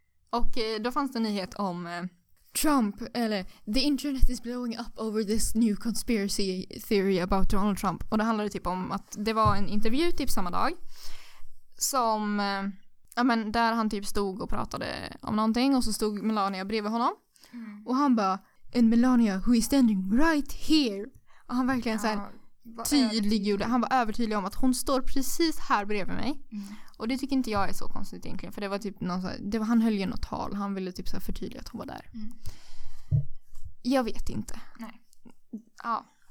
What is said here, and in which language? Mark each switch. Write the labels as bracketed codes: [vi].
[sv] Och då fanns det en nyhet om... [en] Trump, eller the internet is blowing up over this new conspiracy theory about Donald Trump. [sv] Och det handlade typ om att det var en intervju typ samma dag som, ja men där han typ stod och pratade om någonting och så stod Melania bredvid honom. Mm. Och han bara, [en] and Melania who is standing right here. [sv] Och han verkligen ja, så här tydlig gjorde, han var övertydlig om att hon står precis här bredvid mig. Mm. Och det tycker inte jag är så konstigt egentligen. För det var typ någon såhär, det var han höll ju något tal. Han ville typ såhär förtydliga att hon var där. Mm. Jag vet inte. Nej. Ja.